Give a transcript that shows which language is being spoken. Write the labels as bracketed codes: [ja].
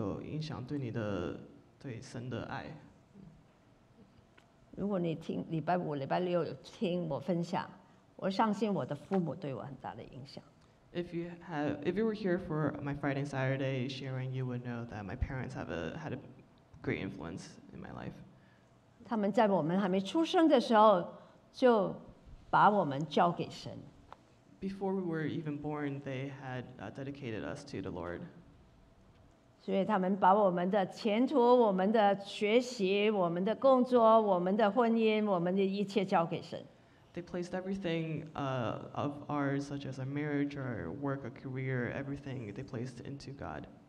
[zh] 有谁在你的生命中最有影响对你的对神的爱？如果你听礼拜五、礼拜六有听我分享，我相信我的父母对我很大的影响。 [en] If you were here for my Friday and Saturday sharing, you would know that my parents have had a great influence in my life. [zh] 他们在我们还没出生的时候就把我们交给神。 [en] Before we were even born, they had dedicated us to the Lord. [zh] 所以他们把我们的前途、我们的学习、我们的工作、我们的婚姻、我们的一切交给神。 [en] They placed everything of ours, such as our marriage, our work, our career, everything they placed into God.